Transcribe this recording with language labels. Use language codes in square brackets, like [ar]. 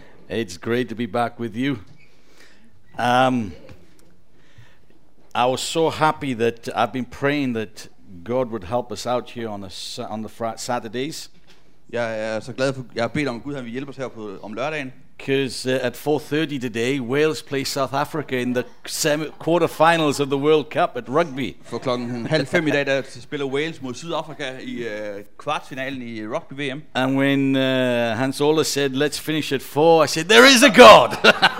[en] It's great to be back with you. I was so happy that I've been praying that God would help us out here on the Saturdays. [da] Jeg er så glad for, jeg har bedt om Gud, han vil hjælpe os her på om lørdagen. [en] Because at 4:30 today, Wales play South Africa in the quarterfinals of the World Cup at rugby. [da] For klokken 4:30 i dag, der spiller Wales mod Sydafrika i kvartfinalen i rugby VM. [en] And when Hans Ole said, "Let's finish at 4," I said, "There is a God."